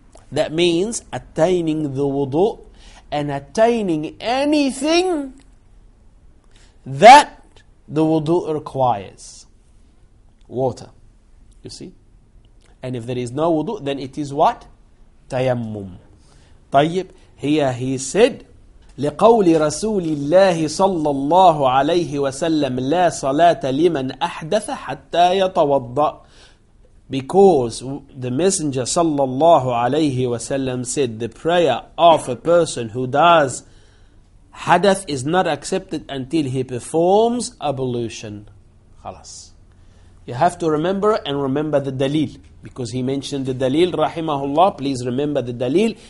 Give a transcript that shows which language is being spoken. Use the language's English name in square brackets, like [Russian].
[English] That means attaining the wudu and attaining anything that the wudu requires. Water, you see? And if there is no wudu, then it is what? Tayammum. [Arabic] طيب, [English] here he said, [Arabic] لقول رسول الله صلى الله عليه وسلم لا صلاة لمن أحدث حتى يتوضأ. [English] Because the Messenger [Arabic] صلى الله عليه وسلم [English] said, the prayer of a person who does hadath is not accepted until he performs ablution. [Arabic] خلاص. [English] You have to remember and remember the dalil. Because he mentioned the dalil, rahimahullah, please remember the dalil.